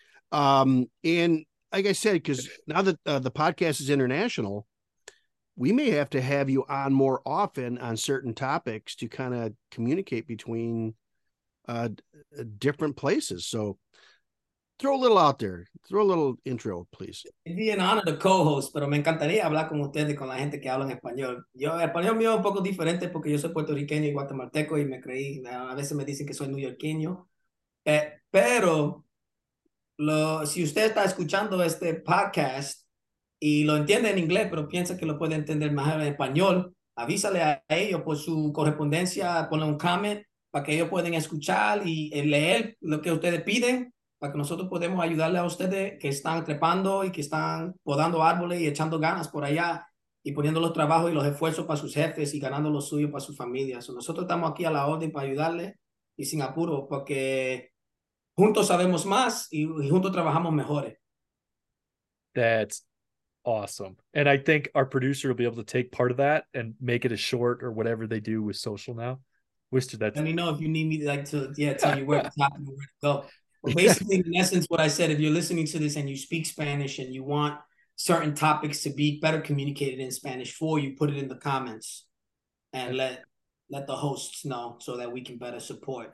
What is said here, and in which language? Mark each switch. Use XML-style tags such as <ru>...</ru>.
<en>And like I said, because now that the podcast is international, we may have to have you on more often on certain topics to kind of communicate between different places. So Throw a little out there. Throw a little intro, please. It'd be an honor to co-host,</en> <es>pero me encantaría hablar con ustedes, con la gente que habla en español. Yo, el español mío es un poco diferente porque yo soy puertorriqueño y guatemalteco y me creí, a veces me dicen que soy neoyorquino. Pero lo, si usted está escuchando este podcast y lo entiende en inglés, pero piensa que lo puede entender mejor en español, avísale a ellos por su correspondencia, ponle un comment para que ellos puedan escuchar y leer lo que ustedes piden, para que nosotros podamos ayudarle a ustedes que están trepando y que están podando árboles y echando ganas por allá y poniendo los trabajos y los esfuerzos para sus jefes y ganando lo suyo para sus familias. So nosotros estamos aquí a la orden para ayudarle y sin apuro, porque juntos sabemos más y juntos trabajamos mejores.</es> <en>That's awesome. And I think our producer will be able to take part of that and make it a short or whatever they do with social now. Wister, that's... Let me know if you need me like to tell you where to tap and where to go. Basically, in essence, what I said, if you're listening to this and you speak Spanish and you want certain topics to be better communicated in Spanish for you, put it in the comments and let the hosts know so that we can better support.</en>